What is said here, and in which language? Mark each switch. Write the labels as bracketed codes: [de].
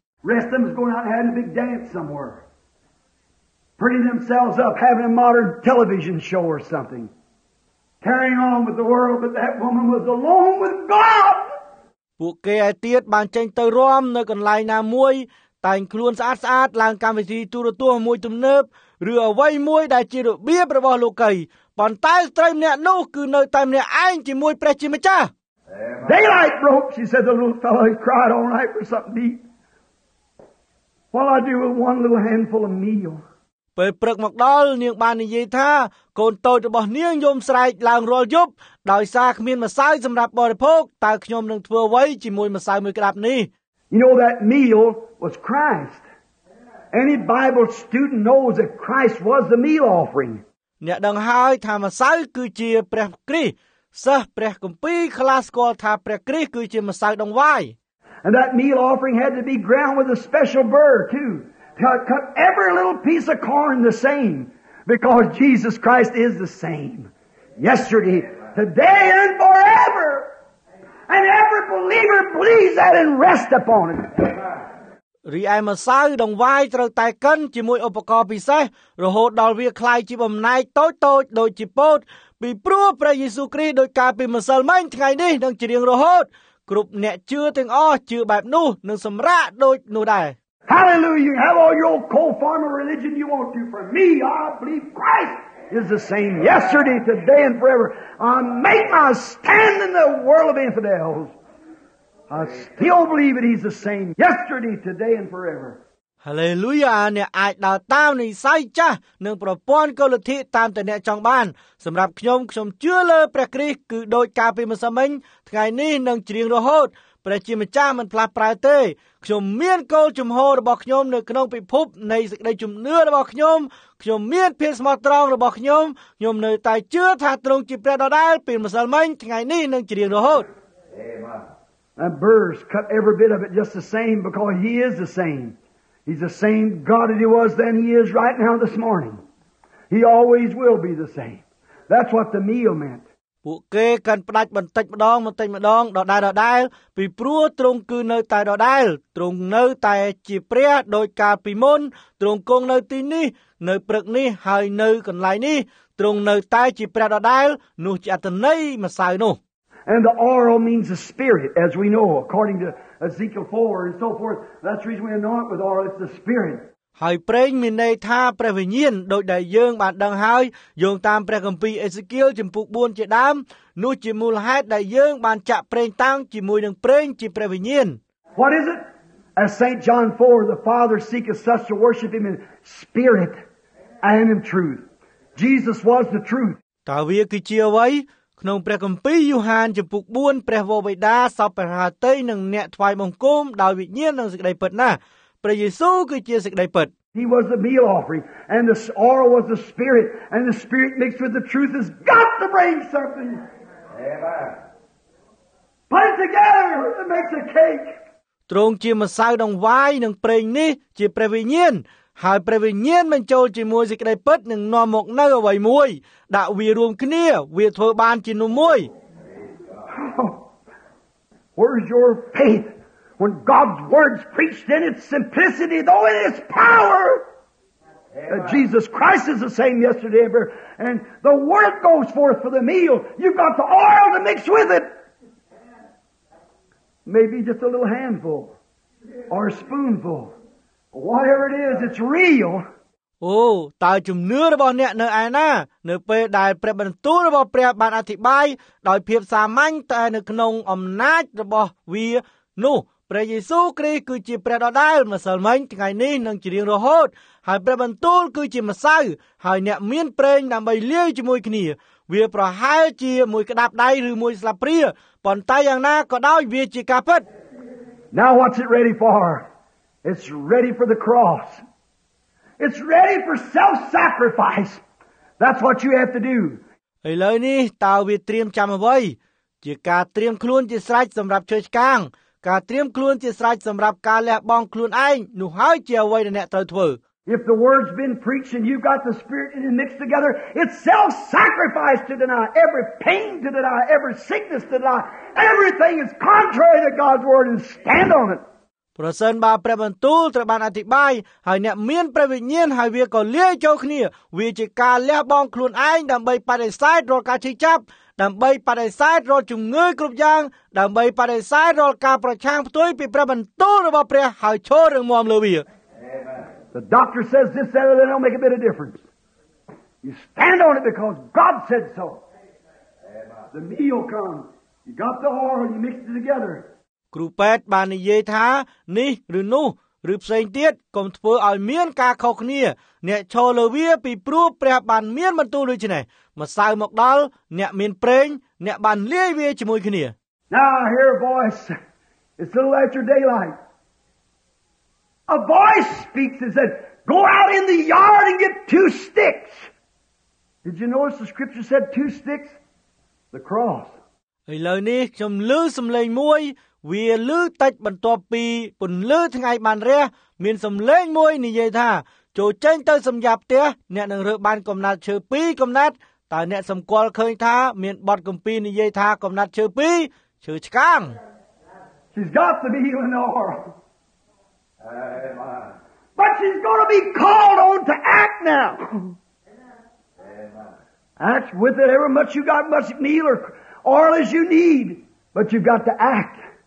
[en] Restum is going out having a big dance somewhere Bringing themselves up having a modern television show or something Carrying on with the world but that woman was alone with God [km] ពួកគេឯទៀតបានចេញទៅរួមនៅកន្លែងណាមួយតែងខ្លួនស្អាតស្អាតឡើងកម្មវិធីទូរទស្សន៍មួយទំនើបឬអ្វីមួយដែលជារបៀបរបស់លោកីប៉ុន្តែស្រីម្នាក់នោះគឺនៅតែម្នាក់ឯងជាមួយព្រះជាម្ចាស់ [en] Daylight broke she said the little fellow he cried all night for something to eat What I do with one little handful of meal [km] ពេលព្រឹកមកដល់នាងបាននិយាយថាកូនតូចរបស់នាងយំស្រែកឡើងរាល់យប់ដោយសារគ្មានម្សៅសម្រាប់បរិភោគតើខ្ញុំនឹងធ្វើអ្វីជាមួយម្សៅមួយក្ដាប់នេះ [en] You know that meal was Christ. Any Bible student knows that Christ was the meal offering. [km] អ្នកដឹងហើយថាម្សៅគឺជាព្រះគ្រីស្ទសិស្សព្រះគម្ពីរខ្លះស្គាល់ថាព្រះគ្រីស្ទគឺជាម្សៅដងវាយ [en] And that meal offering had to be ground with a special burr too. Cut every little piece of corn the same because Jesus Christ is the same. Yesterday Today and forever. And every believer believes that and rest upon it. [km] រីឯម្សៅដងវាយត្រូវតែកិនជាមួយឧបករណ៍ពិសេសរហូតដល់វា [th] คลาย [km] ជាបំណែកតូចៗដូចជាពោតពីព្រោះព្រះយេស៊ូវគ្រីស្ទដោយការពីម្សិលមិញថ្ងៃនេះនឹងជារៀងរហូតគ្រប់អ្នកជឿទាំងអស់ជឿបែបនោះនឹងសម្រាកដូចនោះដែរ [en] Hallelujah. You have all your co-farmer religion you want to for me. I believe Christ is the same yesterday, today and forever. I make my stand in the world of infidels. I still believe that he's the same yesterday, today and forever. Hallelujah. [km] អ្នកអាចដើរតាមនីស័យចាស់និងប្រព័ន្ធកុលទ្ធិតាមតែអ្នកចង់បានសម្រាប់ខ្ញុំខ្ញុំជឿលើព្រះគ្រីស្ទគឺដោយការពីម្សិលមិញថ្ងៃនេះនឹងជ្រៀងរហូតព្រះជាម្ចាស់មិនផ្លាស់ប្រែទេខ្ញុំមានគោលជំហររបស់ខ្ញុំនៅក្នុងពិភពនៃសេចក្តីជំនឿរបស់ខ្ញុំខ្ញុំមានភាពស្មោះត្រង់របស់ខ្ញុំខ្ញុំនៅតែជឿថាទ្រង់ជាព្រះដដែលពីម្សិលមិញថ្ងៃនេះនឹងជ្រៀងរហូត [en] Amen. Burrs cut every bit of it just the same because he is the same. He's the same God that he was then he is right now this morning. He always will be the same. That's what the meal meant. [km] ពួកគេកាន់ផ្ដាច់បន្តិចម្ដងបន្តិចម្ដងដដែលៗពីព្រោះទ្រង់គឺនៅតែដដែលទ្រង់នៅតែជាព្រះដោយកាលពីមុនទ្រង់គង់នៅទីនេះនៅព្រឹកនេះហើយនៅកន្លែងនេះទ្រង់នៅតែជាព្រះដដែលនោះជាអត្តន័យម្សៅនោះ [en] And the oil means the spirit as we know according to Ezekiel 4 and so forth that's the reason we anoint with oil it's the spirit [km] ហើយប្រេងមានន័យថាព្រះវិញ្ញាណដូចដែលយើងបានដឹងហើយយោងតាមព្រះគម្ពីរអេសេគៀលជំពូក4ជាដើមនោះជាមូលហេតុដែលយើងបានចាក់ប្រេងតាំងជាមួយនឹងប្រេងជាព្រះវិញ្ញាណ [en] What is it? As St. John 4 the Father seeketh such to worship him in spirit and in truth. Jesus was the truth. [km] តើវាគឺជាអ្វីក្នុងព្រះគម្ពីរយូហានជំពូក4ព្រះវរបិតាសព្វព្រះហត្ថនិងអ្នកថ្វាយបង្គំដោយវិញ្ញាណនិងសេចក្តីពិតណាស់ព្រះយេស៊ូវគឺជាសេចក្តីពិត [en] He was the meal offering and the oil was the spirit and the spirit mixed with the truth has got to bring something. Amen. Put it together and make a cake. [km] ទ្រង់ជាម្សៅដងវាយនិងប្រេងនេះជាព្រះវិញ្ញាណហើយព្រះវិញ្ញាណបានចូលជាមួយសេចក្តីពិតនិងនាំមកនៅអ្វីមួយដាក់វារួមគ្នាវាធ្វើបានជានំមួយ [en] Where is your faith? When God's words preached in its simplicity, though in its power, Jesus Christ is the same yesterday, ever, and the word goes forth for the meal. You've got the oil to mix with it. Maybe just a little handful or a spoonful. Whatever it is, it's real. [km] Oh, តើជំនឿរបស់អ្នកនៅឯណានៅពេលដែលព្រះបន្ទូលរបស់ព្រះបានអធិប្បាយដោយភាពសាមញ្ញតែនៅក្នុងអំណាចរបស់វានោះព្រះយេស៊ូវគ្រីស្ទគឺជាព្រះដដែលម្សិលមិញថ្ងៃនេះនឹងជារៀងរហូតហើយព្រះបន្ទូលគឺជាម្សៅហើយអ្នកមានប្រេងដើម្បីលាយជាមួយគ្នាវាប្រហែលជាមួយក្តាប់ដៃឬមួយស្លាបព្រាប៉ុន្តែយ៉ាងណាក៏ដោយវាជាការពិត [en] Now what's it ready for? It's ready for the cross. It's ready for self-sacrifice. That's what you have to do. [km] ឥឡូវនេះតើវាត្រៀមចាំអ្វីជាការត្រៀមខ្លួនជាស្រេចសម្រាប់ជួយឆ្កាងការត្រៀមខ្លួនជាស្រេចសម្រាប់ការលះបង់ខ្លួនឯងនោះហើយជាអ្វីដែលអ្នកត្រូវធ្វើ [en] If the word's been preached and you've got the spirit in it mixed together, it's self-sacrifice to deny every pain to deny every sickness to deny everything is contrary to God's word and stand on it. [km] ព្រះសិនបាព្រះបន្ទូលត្រូវបានអធិប្បាយហើយអ្នកមានព្រះវិញ្ញាណហើយវាក៏លាយចូលគ្នាវាជាការលះបង់ខ្លួនឯងដើម្បីបដិសេធរាល់ការឈឺចាប់ដើម្បីបដិសេធរាល់ជំងឺគ្រប់យ៉ាងដើម្បីបដិសេធរាល់ការប្រឆាំងផ្ទុយពីព្រះបន្ទូលរបស់ព្រះហើយឈររឹងមាំលើវា [en] The doctor says this said it don't make a bit of difference. You stand on it because God said so. The meal comes. You got the oil, you mix it together. [km] គ្រូពេទ្យបាននិយាយថានេះឬនោះឬផ្សេងទៀតកុំធ្វើឲ្យមានការខុសគ្នាអ្នកឈលលើវាពីព្រោះព្រះបានមានបន្ទូលដូច្នេះម្សៅមកដល់អ្នកមានប្រេងអ្នកបានលាយវាជាមួយគ្នា [en] Now I hear a voice It's a little after daylight A voice speaks and said Go out in the yard and get two sticks Did you notice the scripture said two sticks The cross [km] ឥឡូវនេះខ្ញុំឮសំឡេងមួយវាលើតិចបន្ទាប់ពីពន្លឺថ្ងៃបានរះមានសំឡេងមួយនិយាយថាចូលចេញទៅសម្យ៉ាប់ផ្ទះអ្នកនឹងរើបានកំណាត់ឈើ2កំណាត់តើអ្នកសម្គាល់ឃើញថាមានបទកម្ពីនិយាយថាកំណាត់ឈើ2ឈើឆ្កាង [en] She's got to be healed now. Amen. But she's going to be called on to act now. Amen. Act with it ever much you got much meal or oil as you need, but you've got to act.